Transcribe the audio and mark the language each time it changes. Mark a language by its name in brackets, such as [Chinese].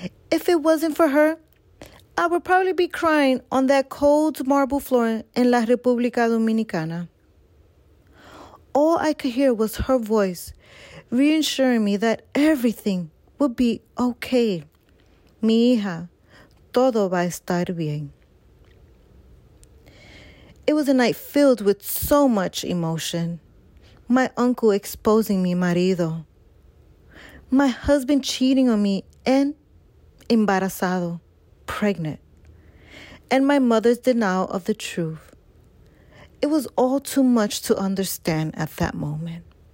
[English] If it wasn't for her, I would probably be crying on that cold marble floor in La República Dominicana. All I could hear was her voice reassuring me that everything would be okay. [Spanish] Mi hija, todo va a estar bien. [English] It was a night filled with so much emotion. My uncle exposing [Spanish] mi marido. [English] My husband cheating on me and [Spanish] embarazado, [English] pregnant. And my mother's denial of the truth. It was all too much to understand at that moment.